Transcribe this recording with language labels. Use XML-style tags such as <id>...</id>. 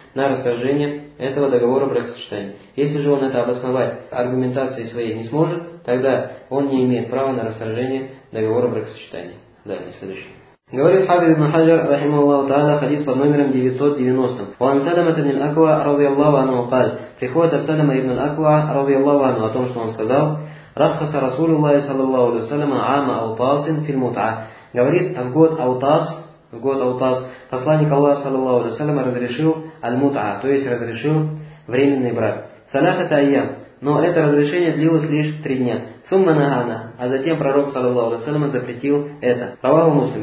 <ru>На расторжение этого договора бракосочетания. Если же он это обосновать аргументацией своей не сможет, тогда он не имеет права на расторжение договора бракосочетания. Далее, следующий. Говорит Хафиз ибн Хаджар, рахималлаху та'аля, хадис под номером 990.</ru> <ar>«Ван Саламат ибн Аква, радиаллаху анху, каль».</ar> <ru>Приходит от Саляма ибн Аква, радиаллаху анху, о том, что он сказал.</ru> <ar>رخص رسول الله صلى الله عليه وسلم عام أوطاس في المتعة.</ar> <ru>Говорит, в год Аутас, посланник Аллаха, саллаллаху алейхи ва саллям, разрешил аль-мут'а, то есть разрешил временный брак.</ru> <ar>Салахата айям.</ar> <ru>Но это разрешение длилось лишь 3 дня.</ru> <ar>Сумма нагана.</ar> <ru>А затем пророк, саллаллаху алейхи ва саллям, запретил это.</ru> <ar>Раваху муслим.</ar>